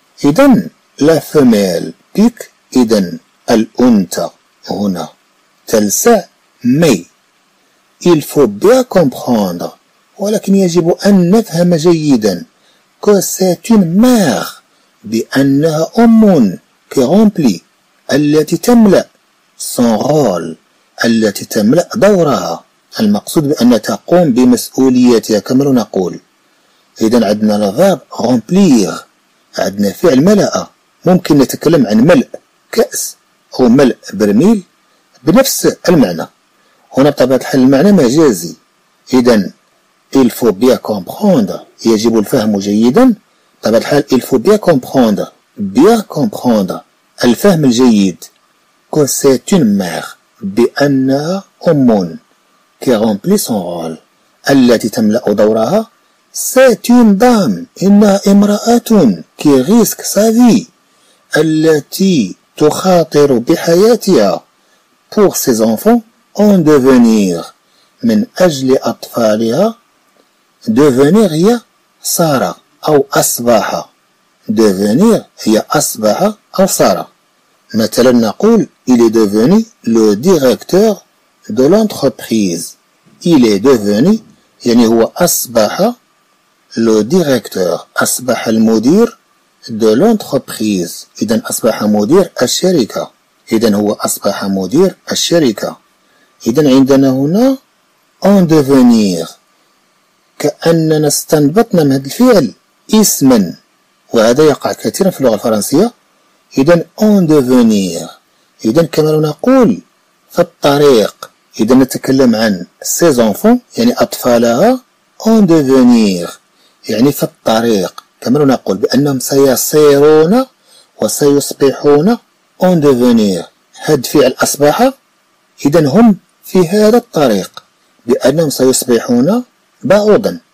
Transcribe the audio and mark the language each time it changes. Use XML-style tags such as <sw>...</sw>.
<ar>إذن لا فميل بيك, إذن الأنثى هنا تلسع, مي</ar> <fr>il faut bien comprendre,</fr> <ar>ولكن يجب أن نفهم جيدا,</ar> <fr>que c'est une mère,</fr> <ar>بأنها أم,</ar> <fr>qui remplit,</fr> <ar>التي تملأ,</ar> <fr>son rôle,</fr> <ar>التي تملأ دورها, المقصود بأنها تقوم بمسؤوليتها كما نقول. إذن عندنا الverb remplir, عندنا فعل ملأ, ممكن نتكلم عن ملء كأس أو ملء برميل بنفس المعنى, هنا بطبيعة الحال المعنى مجازي.</ar> <fr>إذن il faut bien comprendre,</fr> <ar>يجب الفهم جيدا, طبعا الحال</ar> <fr>il faut bien comprendre, bien comprendre,</fr> <ar>الفهم الجيد,</ar> <fr>que c'est une mère,</fr> <ar>بأنها أم,</ar> <fr>qui remplit son rôle,</fr> <ar>التي تملأ دورها,</ar> <fr>c'est une dame,</fr> <ar>إنها امرأة,</ar> <fr>qui risque sa vie,</fr> <ar>التي تخاطر بحياتها,</ar> <fr>pour ses enfants en devenir,</fr> <ar>من أجل أطفالها, devenir هي صار أو أصبح, devenir هي أصبح أو صار, مثلا نقول</ar> <fr>il est devenu le directeur de l'entreprise, il est devenu</fr> <ar>يعني هو أصبح,</ar> <fr>le directeur</fr> <ar>أصبح المدير,</ar> <fr>de l'entreprise</fr> <ar>إذن أصبح مدير الشركة, إذن هو أصبح مدير الشركة. إذن عندنا هنا en devenir, كأننا استنبطنا من هذا الفعل اسما, وهذا يقع كثيرا في اللغة الفرنسية. إذن en devenir, إذن كما نقول في الطريق, إذن نتكلم عن</ar> <fr>ses enfants</fr> <ar>يعني أطفالها, en devenir يعني في الطريق, كما نقول بأنهم سيصيرون وسيصبحون, en devenir هذا فعل أصبح, إذن هم في هذا الطريق بأنهم سيصبحون بعوضا.</ar>